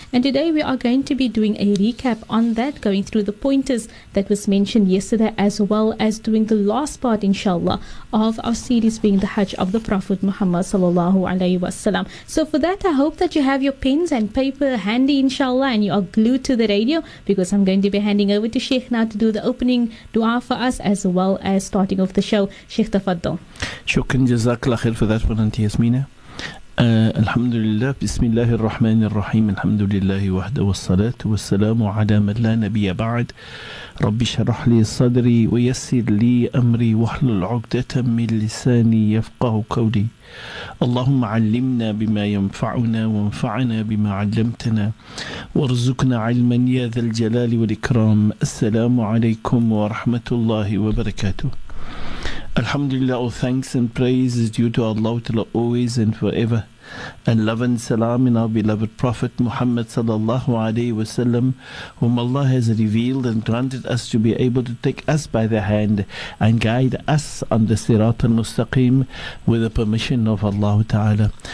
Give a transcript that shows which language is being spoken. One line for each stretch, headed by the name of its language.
English: And today we are going to be doing a recap on that, going through the pointers that was mentioned yesterday, as well as doing the last part inshallah of our series being the Hajj of the Prophet Muhammad sallallahu alayhi wasallam. So for that, I hope that you have your pens and paper handy inshallah and you are glued to the radio, because I'm going to be handing over to Sheikh now to do the opening dua for us as well as starting off the show. Sheikh, tafaddal. Shukran jazakallah khair for that one, Auntie Yasmina.
Arabic: الحمد لله بسم الله الرحمن الرحيم الحمد لله وحده والصلاة والسلام على من لا نبي بعد رب اشرح لي صدري ويسر لي أمري واحلل عقدة من لساني يفقه قولي اللهم علمنا بما ينفعنا وانفعنا بما علمتنا وارزقنا علما يا ذا الجلال والإكرام. السلام عليكم ورحمة الله وبركاته.
English: Alhamdulillah, all thanks and praise is due to Allah to always and forever. And love and salam in our beloved Prophet Muhammad sallallahu alayhi wa sallam, whom Allah has revealed and granted us to be able to take us by the hand and guide us on the Sirat al-Mustaqim with the permission of Allah Ta'ala.